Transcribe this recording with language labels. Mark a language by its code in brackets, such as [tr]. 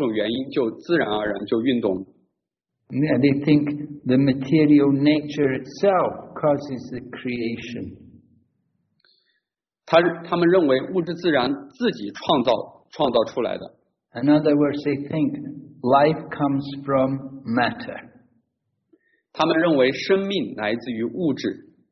[zh] 他们认为物质自然的这一切只是由于某种原因就自然而然就运动。 [en] Yeah, they think the material nature itself causes the creation. [zh] 他们认为物质自然自己创造出来的。 [en] In other words, they think life comes from matter. [zh] 他们认为生命来自于物质。